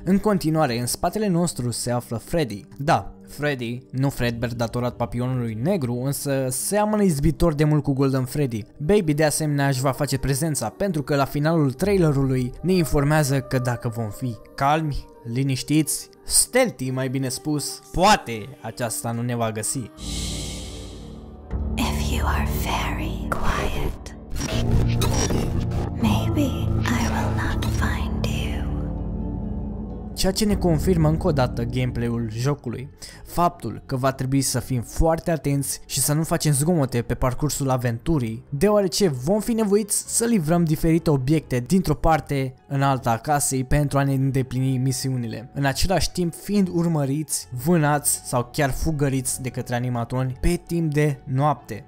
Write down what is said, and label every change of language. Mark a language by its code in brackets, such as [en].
[ro] În continuare, în spatele nostru se află Freddy. Da, Freddy, nu Fredbear datorat papionului negru, însă seamănă izbitor de mult cu Golden Freddy. Baby de asemenea își va face prezența, pentru că la finalul trailerului ne informează că dacă vom fi calmi, liniștiți, stealthy mai bine spus, poate aceasta nu ne va găsi. [en] If you are very quiet, maybe I will not find you. [ro] Ceea ce ne confirmă încă o dată gameplay-ul jocului, faptul că va trebui să fim foarte atenți și să nu facem zgomote pe parcursul aventurii, deoarece vom fi nevoiți să livrăm diferite obiecte dintr-o parte în alta a casei pentru a ne îndeplini misiunile, în același timp fiind urmăriți, vânați sau chiar fugăriți de către animatroni pe timp de noapte.